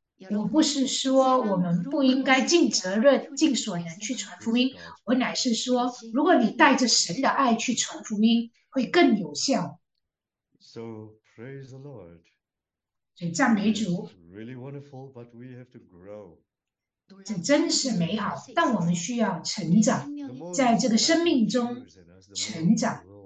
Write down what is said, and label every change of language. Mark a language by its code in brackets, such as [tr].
[zh] 我不是说我们不应该尽责任、尽所能去传福音，我乃是说，如果你带着神的爱去传福音，会更有效。 [en] So praise the Lord. [zh] 所以赞美主， [en] It's really wonderful, but we have to grow. [zh] 这真是美好，但我们需要成长，在这个生命中成长。